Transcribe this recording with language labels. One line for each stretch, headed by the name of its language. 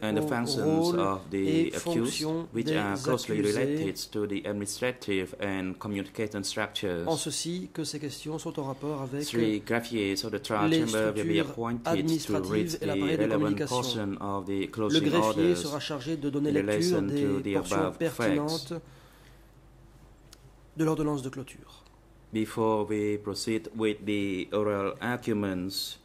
English: and the functions of the accused, which are closely related to the administrative and communication structures.
French: En ceci, que ces questions sont en rapport avec
English: three graphiers of the trial chamber will be appointed to read the relevant portion of the closing orders
French: sera chargé de donner lecture des
English: in relation to the above
French: pertinentes
English: facts
French: de l'ordonnance de clôture.
English: Before we proceed with the oral arguments,